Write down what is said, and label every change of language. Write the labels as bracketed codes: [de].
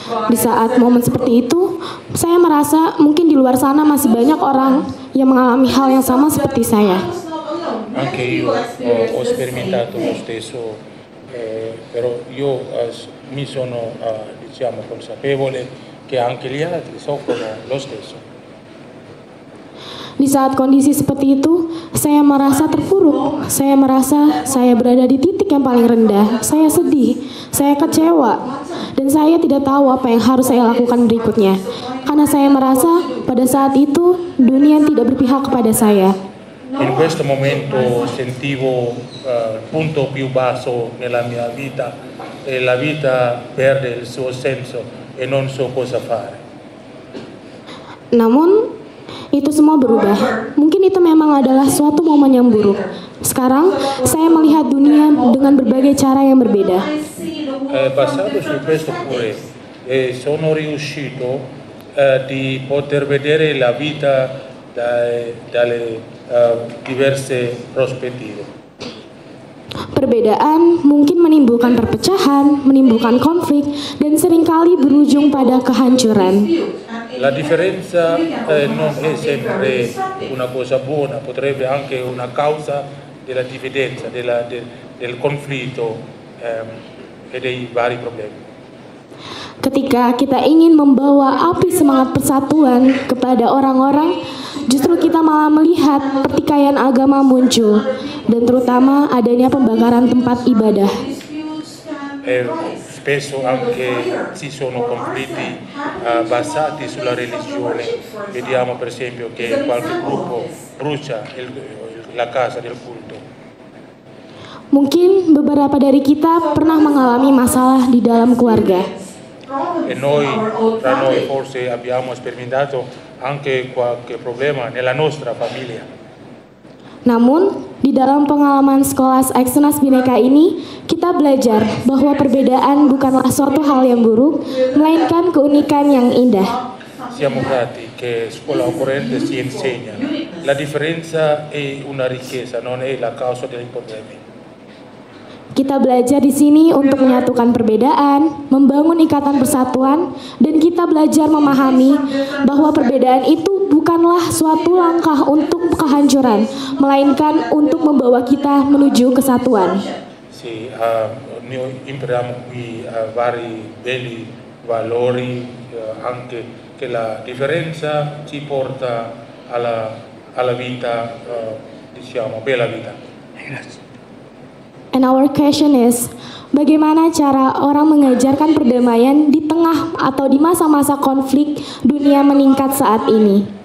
[id] Di saat momen seperti itu, saya merasa mungkin di luar sana masih banyak orang yang mengalami hal yang sama seperti saya. [it] Anche io ho sperimentato lo stesso, però io mi sono, diciamo, consapevole che anche gli altri soffrono lo stesso. [id] Di saat kondisi seperti itu, saya merasa terpuruk. Saya merasa saya berada di titik yang paling rendah. Saya sedih, saya kecewa, dan saya tidak tahu apa yang harus saya lakukan berikutnya. Karena saya merasa pada saat itu dunia tidak berpihak kepada saya. [it] In questo momento sentivo punto più basso nella mia vita e la vita perde il suo senso e non so cosa fare. [id] Namun itu semua berubah. Mungkin itu memang adalah suatu momen yang buruk. Sekarang saya melihat dunia dengan berbagai cara yang berbeda. [it] Basato su questo pure, sono riuscito di poter vedere la vita dalle diverse prospettive. [id] Perbedaan mungkin menimbulkan perpecahan, menimbulkan konflik, dan seringkali berujung pada kehancuran. [it] La differenza non è sempre una cosa buona, potrebbe anche una causa della dividenza, del conflitto e dei vari problemi. [id] Ketika kita ingin membawa api semangat persatuan kepada orang-orang, justru kita malah melihat pertikaian agama muncul dan terutama adanya pembakaran tempat ibadah. [it] Spesso anche ci sono conflitti basati sulla religione. Vediamo per esempio che qualche gruppo brucia la casa del culto. [id] Mungkin beberapa dari kita pernah mengalami masalah di dalam keluarga. [it] E noi, tra noi forse abbiamo sperimentato anche qualche problema nella nostra famiglia. [id] Namun, di dalam pengalaman sekolah Eksenas Bhinneka ini, kita belajar bahwa perbedaan bukanlah suatu hal yang buruk, melainkan keunikan yang indah. [it] Siamo grati che scuola occorrente si insegna. La differenza è una ricchezza, non è la causa dei problemi. [id] Kita belajar di sini untuk menyatukan perbedaan, membangun ikatan persatuan, dan kita belajar memahami bahwa perbedaan itu bukanlah suatu langkah untuk kehancuran, melainkan untuk membawa kita menuju kesatuan. [it] Si, noi impariamo qui vari belli valori, anche che la differenza ci porta alla vita, diciamo, bella vita. [en] And our question is, [id] bagaimana cara orang mengajarkan perdamaian di tengah atau di masa-masa konflik dunia meningkat saat ini?